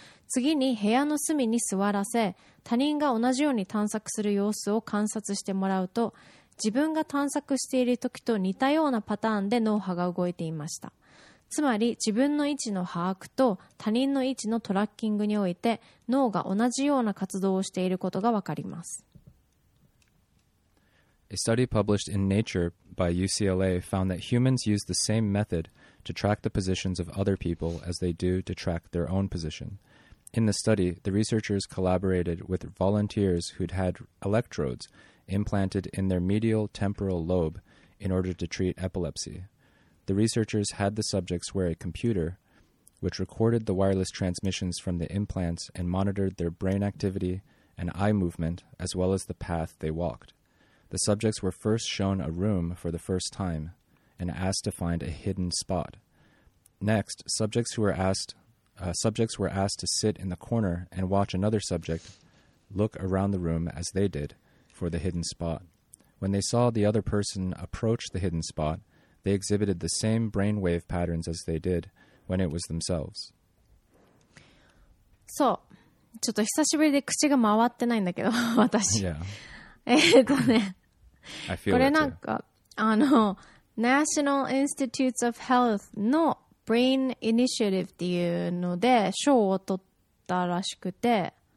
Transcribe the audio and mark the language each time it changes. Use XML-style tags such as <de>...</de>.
<ja>次に部屋の隅に座らせ、他人が同じように探索する様子を観察してもらうと、自分が探索している時と似たようなパターンで脳波が動いていました。つまり自分の位置の把握と他人の位置のトラッキングにおいて脳が同じような活動をしていることがわかります。</ja> <en>A study published in Nature by UCLA found that humans use the same method to track the positions of other people as they do to track their own position. In the study, the researchers collaborated with volunteers who'd had electrodes implanted in their medial temporal lobe in order to treat epilepsy. The researchers had the subjects wear a computer, which recorded the wireless transmissions from the implants and monitored their brain activity and eye movement, as well as the path they walked. The subjects were first shown a room for the first time and asked to find a hidden spot. Next, subjects were asked to sit in the corner and watch another subject look around the room as they did for the hidden spot. When they saw the other person approach the hidden spot, they exhibited the same brainwave patterns as they did when it was themselves.</en> <ja>そう、ちょっと久しぶりで口が回ってないんだけど、私。</ja> <en>Yeah. ね、 I feel</en> <ja>これなんか、あの、National Institutes of Health のBrain Initiative っていうので賞を取ったらしくて、</ja>